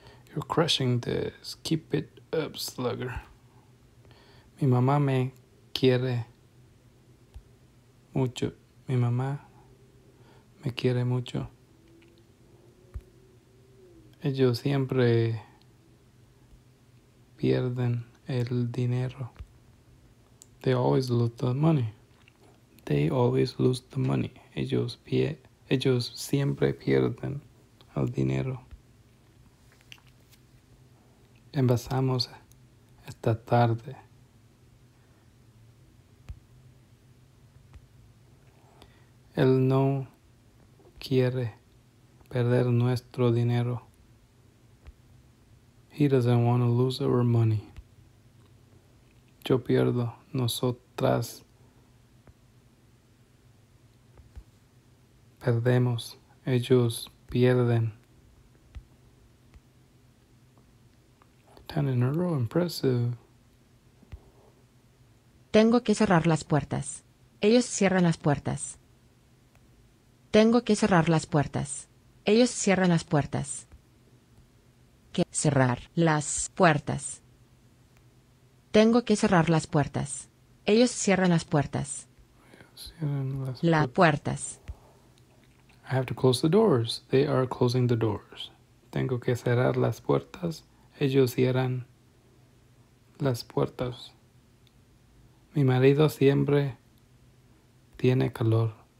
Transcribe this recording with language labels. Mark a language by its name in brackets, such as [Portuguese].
[English] You're crushing this. Keep it up, slugger. [Spanish] Mi mamá me quiere mucho. Mi mamá me quiere mucho. Ellos siempre pierden el dinero. [English] They always lose the money. They always lose the money. [Spanish] Ellos siempre pierden el dinero. Empezamos esta tarde. Él no quiere perder nuestro dinero. [English] He doesn't want to lose our money. [Spanish] Yo pierdo, nosotras perdemos, ellos pierden. [English] 10 in a row, impressive. [Spanish] Tengo que cerrar las puertas. Ellos cierran las puertas. Tengo que cerrar las puertas. Ellos cierran las puertas. Que cerrar las puertas. Tengo que cerrar las puertas. Ellos cierran las puertas. Cierran las Las puertas. puertas. [English] I have to close the doors. They are closing the doors. [Spanish] Tengo que cerrar las puertas. Ellos cierran las puertas. Mi marido siempre tiene calor.